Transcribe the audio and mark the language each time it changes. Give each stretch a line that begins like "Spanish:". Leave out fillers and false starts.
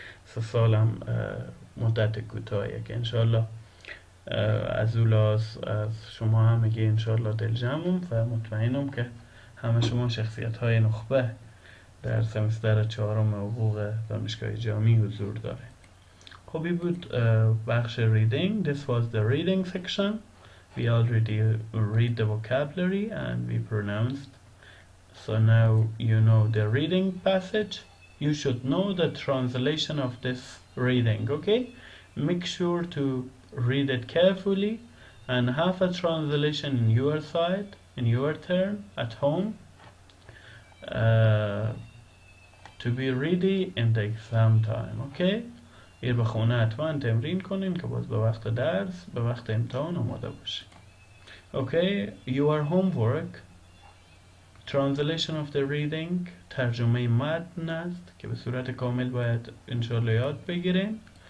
Persian: 3 سال هم مدت کوتاهیه که انشالله از اول از شما هم میگه انشالله دلجمم و مطمئنم که همه شما شخصیت های نخبه در سمستر چهارم حقوق دانشگاه جامعی حضور داره. خب این بود بخش ریدینگ.
English: This was the reading section. We already read the vocabulary and we pronounced. So now you know the reading passage. You should know the translation of this reading, okay? Make sure to read it carefully and have a translation in your side, in your turn, at home, to be ready in the exam time, okay?
Persian: ایر به خونه حتما تمرین کنین که باز به وقت درس، به وقت امتحان آماده باشی.
English: Okay, your homework. Translation of the reading.
Persian: ترجمه متن است که به صورت کامل باید انشالله یاد بگیرین.